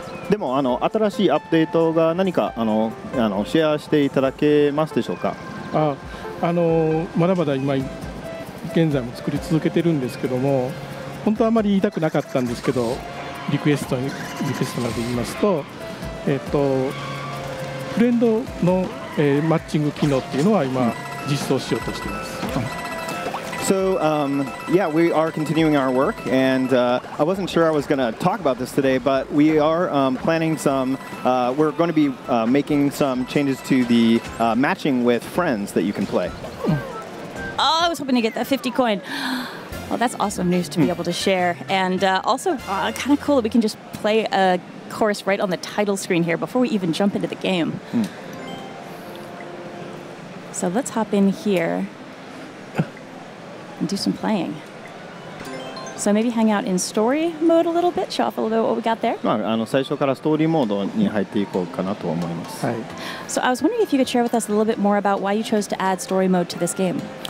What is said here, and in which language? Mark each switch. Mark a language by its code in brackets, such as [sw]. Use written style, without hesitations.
[ja] でも新しいアップデートが何かシェアしていただけますでしょうか。まだまだ今現在も作り続けてるんですけども、本当はあまり言いたくなかったんですけど、リクエストまで言いますと、フレンドのマッチング機能っていうのは今実装しようとしています。 [en] So, yeah, we are continuing our work, and I wasn't sure I was going to talk about this today, but we are planning some, we're going to be making some changes to the matching with friends that you can play. Oh, I was hoping to get that 50 coin. Well, that's awesome news to be able to share. And also, kind of cool that we can just play a chorus right on the title screen here before we even jump into the game. So let's hop in here and do some playing. So maybe hang out in story mode a little bit, show off a little bit what we got there. [ja] まあ、最初からストーリーモードに入っていこうかなと思います。はい。So [en] I was wondering if you could share with us a little bit more about why you chose to add story mode to this game.